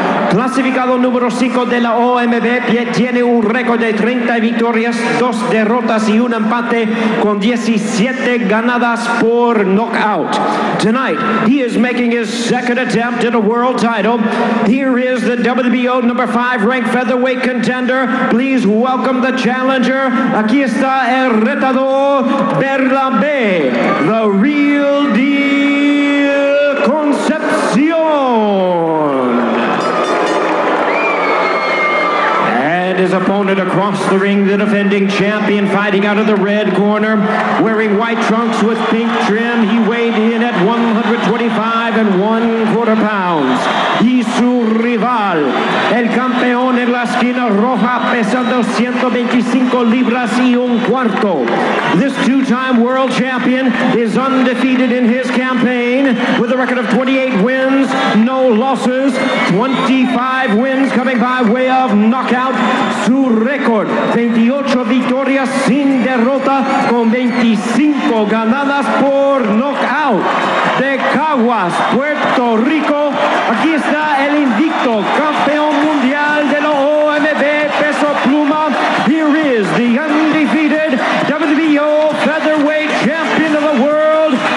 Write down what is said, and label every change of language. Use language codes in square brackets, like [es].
[es] Clasificado número 5 de la OMB tiene un récord de 30 victorias, 2 derrotas y un empate con 17 ganadas por knockout. [en] Tonight, he is making his second attempt at a world title. Here is the WBO number 5 ranked featherweight contender. Please welcome the challenger. [es] Aquí está el retador [en] Berlambe, the real deal Concepción. His opponent across the ring, the defending champion, fighting out of the red corner, wearing white trunks with pink trim. He weighed in at 125¼ pounds. [es] Y su rival, el campeón en la esquina roja, pesando 125 libras y un cuarto. [en] This two-time world champion is undefeated in his campaign with a record of 28 wins, no losses, 25 wins coming by way of knockout. [es] Su récord, 28 victorias sin derrota, con 25 ganadas por knockout. De Caguas, Puerto Rico, aquí está el invicto campeón mundial de la OMB peso pluma. [en] Here is the undefeated WBO featherweight champion of the world.